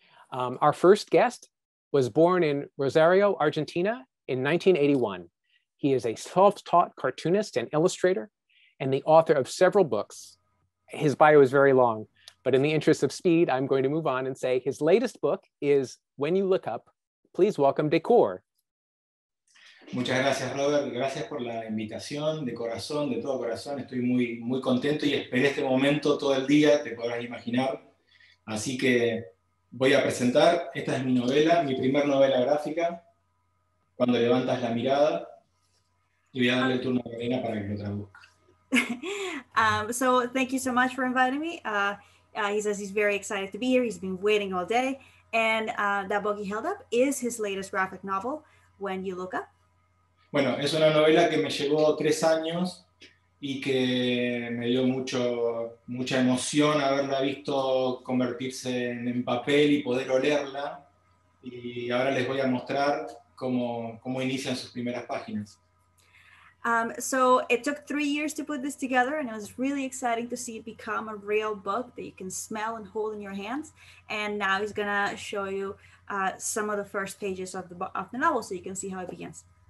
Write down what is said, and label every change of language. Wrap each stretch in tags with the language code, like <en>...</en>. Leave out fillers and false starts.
<en>Our first guest was born in Rosario, Argentina in 1981. He is a self-taught cartoonist and illustrator and the author of several books. His bio is very long, but in the interest of speed, I'm going to move on and say his latest book is When You Look Up. Please welcome Decur.</en> <es>Muchas gracias, Robert. Gracias por la invitación de corazón, de todo corazón. Estoy muy, muy contento y esperé este momento todo el día, te podrás imaginar. Así que voy a presentar. Esta es mi novela, mi primer novela gráfica, Cuando levantas la mirada. Y voy a darle el turno a Lorena para que lo traduzca.</es> <en>So, thank you so much for inviting me. He says he's very excited to be here. He's been waiting all day. And that book he held up is his latest graphic novel, When You Look Up.</en> <es>Bueno, es una novela que me llevó 3 años y que me dio mucha emoción haberla visto convertirse en papel y poder olerla. Y ahora les voy a mostrar cómo inician sus primeras páginas.</es> <en>So it took 3 years to put this together, and it was really exciting to see it become a real book that you can smell and hold in your hands. And now he's gonna show you some of the first pages of the novel, so you can see how it begins.</en>